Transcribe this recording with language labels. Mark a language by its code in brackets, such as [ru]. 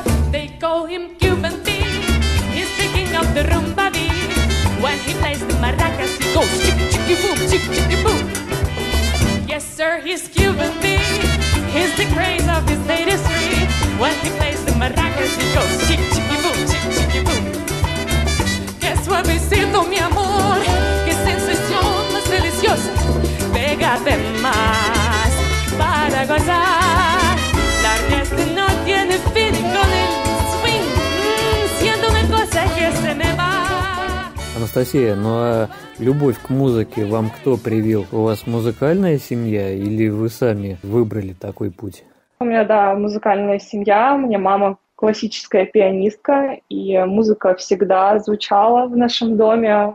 [en] They call him Cuban beat. He's picking up the rumba beat. When he plays the maracas, he goes chicky chicky boom, chicky chicky boom. Yes, sir, he's Cuban beat. He's the craze of his latest street. When he plays the maracas, he goes chick chicky boom, chick chicky boom. [es] Qué suavecito, mi amor, qué sensación más deliciosa. Pégate más para gozar. La fiesta no tiene fin y con el swing siento una cosa que se me va. [ru] Анастасия, ну а любовь к музыке вам кто привил? У вас музыкальная семья или вы сами выбрали такой путь? У меня, да, музыкальная семья, у меня мама классическая пианистка, и музыка всегда звучала в нашем доме.